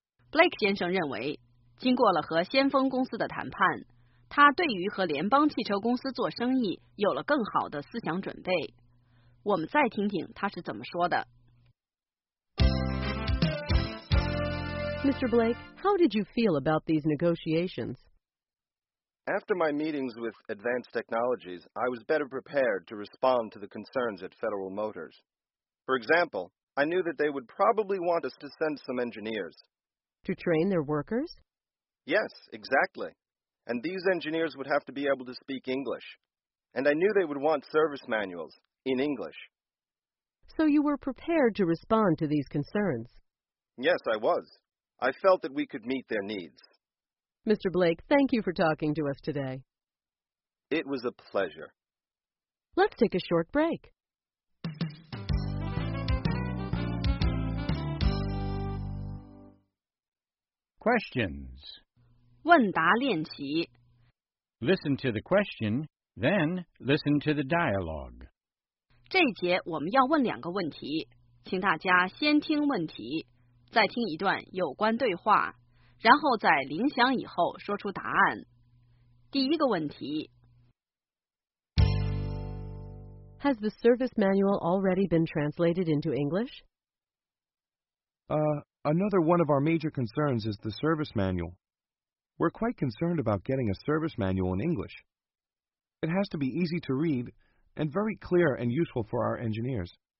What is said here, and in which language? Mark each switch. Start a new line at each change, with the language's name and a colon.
Chinese: Blake 先生认为，经过了和先锋公司的谈判，他对于和联邦汽车公司做生意有了更好的思想准备。我们再听听他是怎么说的。
English: Mr. Blake, how did you feel about these negotiations? After my meetings with Advanced Technologies, I was better prepared to respond to the concerns at Federal Motors. For example, I knew that they would probably want us to send some engineers. To train their workers? Yes, exactly. And these engineers would have to be able to speak English. And I knew they would want service manuals in English. So you were prepared to respond to these concerns? Yes, I was. I felt that we could meet their needs. Mr. Blake, thank you for talking to us today. It was a pleasure. Let's take a short break. Questions.
Chinese: 问答练习。
English: Listen to the question, then listen to the dialogue.
Chinese: 这一节我们要问两个问题，请大家先听问题。再听一段有关对话，然后在铃响以后说出答案。第一个问题
English: ：Has the service manual already been translated into English? Another one of our major concerns is the service manual. We're quite concerned about getting a service manual in English. It has to be easy to read and very clear and useful for our engineers.